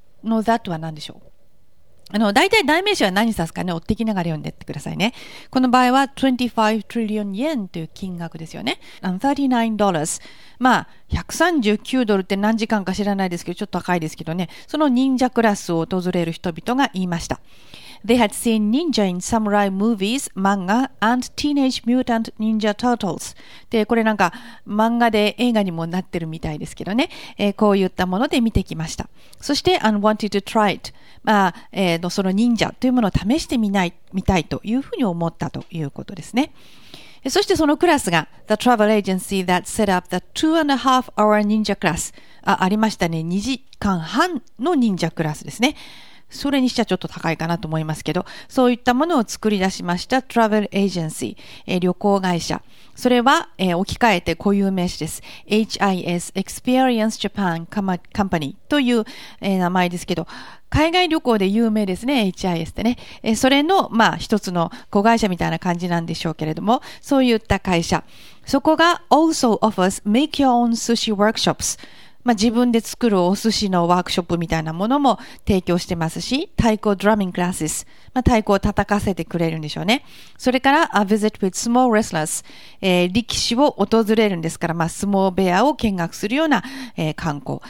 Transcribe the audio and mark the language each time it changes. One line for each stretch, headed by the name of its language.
Japanese: の that は何でしょう？大体代名詞は何指すかね、追ってきながら読んでってくださいね。この場合は
English: 25 trillion yen
Japanese: という金額ですよね。
English: 39 dollars。
Japanese: まあ、139ドルって何時間か知らないですけど、ちょっと高いですけどね。その忍者クラスを訪れる人々が言いました。
English: They had seen ninja in samurai movies, manga, and teenage mutant ninja turtles.
Japanese: で、これなんか漫画で映画にもなってるみたいですけどね。こういったもので見てきました。そして、
English: and wanted to try it.
Japanese: まあ、その忍者というものを試してみたいというふうに思ったということですね。そしてそのクラスが、
English: the travel agency that set up the 2.5-hour ninja class.
Japanese: ありましたね。 2時間半の忍者クラスですね。それにしちゃちょっと高いかなと思いますけど、そういったものを作り出しました Travel Agency、旅行会社。それは、置き換えて固有名詞です。HIS Experience Japan Company という、名前ですけど、海外旅行で有名ですね、HIS ってね。それの、まあ、一つの子会社みたいな感じなんでしょうけれども、そういった会社。そこが
English: also offers make your own sushi workshops。
Japanese: まあ、自分で作るお寿司のワークショップみたいなものも提供してますし、太鼓ドラミングクラスです。まあ、太鼓を叩かせてくれるんでしょうね。それから、
English: a visit with small wrestlers、
Japanese: 力士を訪れるんですから、まあ、相撲部屋を見学するような、観光。